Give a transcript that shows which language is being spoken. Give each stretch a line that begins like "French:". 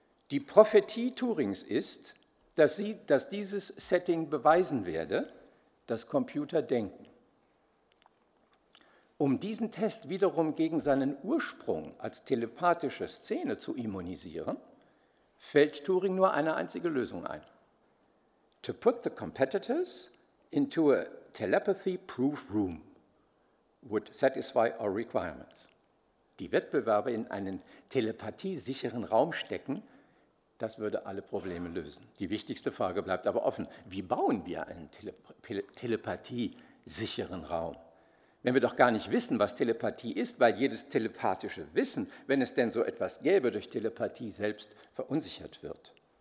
German: Die Prophetie Turings ist, dass dieses Setting beweisen werde, dass Computer denken. Um diesen Test wiederum gegen seinen Ursprung als telepathische Szene zu immunisieren, fällt Turing nur eine einzige Lösung ein.
English: To put the competitors into a telepathy-proof room would satisfy our requirements.
German: Die Wettbewerber in einen telepathiesicheren Raum stecken, das würde alle Probleme lösen. Die wichtigste Frage bleibt aber offen. Wie bauen wir einen telepathiesicheren Raum? Wenn wir doch gar nicht wissen, was Telepathie ist, weil jedes telepathische Wissen, wenn es denn so etwas gäbe, durch Telepathie selbst verunsichert wird.